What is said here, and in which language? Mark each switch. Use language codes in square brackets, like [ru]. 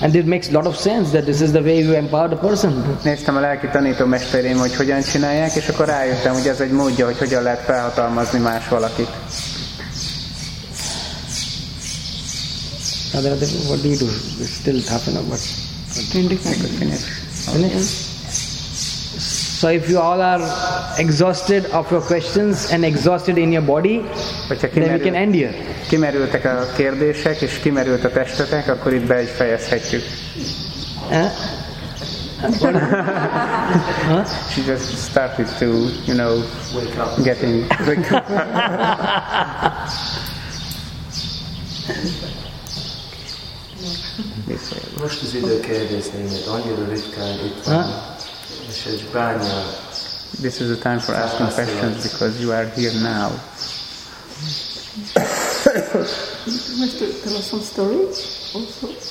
[en] And it makes a lot of sense that this is the way you empower the person. [hu] Néztem a lelki tanítómesterém, hogy hogyan csinálják, és akkor rájöttem, hogy ez egy módja, hogy hogyan lehet felhatalmazni más valakit. [en] Now, what do you do? It's still half an hour. So if you all are exhausted of your questions and exhausted in your body, then we can end here. [hu] Kimerültek a kérdések és kimerült a testetek, akkor itt be is fejezhetjük. [en] She just started to, you know, wake up. Getting wake up. [hu] Most az idő kérdésnél, annyira ritkán itt van. [en] This is the time for asking questions because you are here now. You promised to tell us some story also?